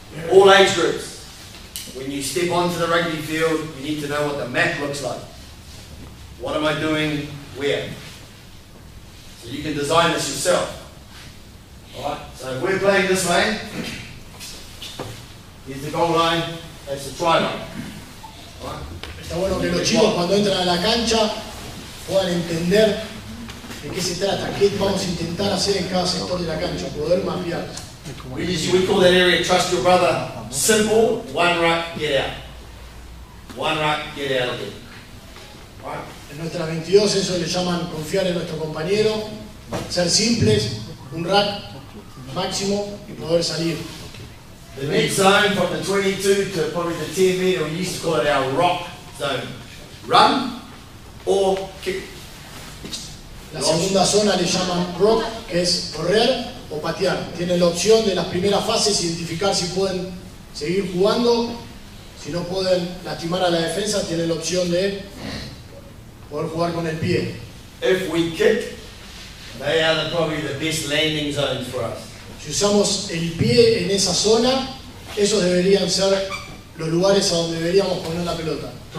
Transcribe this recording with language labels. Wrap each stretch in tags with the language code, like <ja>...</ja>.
<en>All age groups, when you step onto the rugby field, you need to know what the mat looks like. What am I doing where? So you can design this yourself. Alright, so if we're playing this way, here's the goal line, that's the try line. Alright?</en> <es>Está bueno que los chicos cuando entran a la cancha puedan entender de qué se trata, qué vamos a intentar hacer en cada sector de la cancha, poder mapear.</es> <en>We call that area trust your brother. Simple, one ruck, get out. One ruck, get out of here. Alright?</en> <es>En nuestras 22 eso le llaman confiar en nuestro compañero, ser simples, un ruck máximo y poder salir.</es> <en>The mid zone from the 22 to probably the 10 meter, we used to call it our rock zone. Run or kick.</en> <es>La segunda zona le llaman rock, que es correr o patear. Tienen la opción de las primeras fases identificar si pueden seguir jugando, si no pueden lastimar a la defensa, tienen la opción de poder jugar con el pie.</es> <en>If we kick, they are the, probably the best landing zones for us.</en> <es>Si usamos el pie en esa zona, esos deberían ser los lugares a donde deberíamos poner la pelota.</es>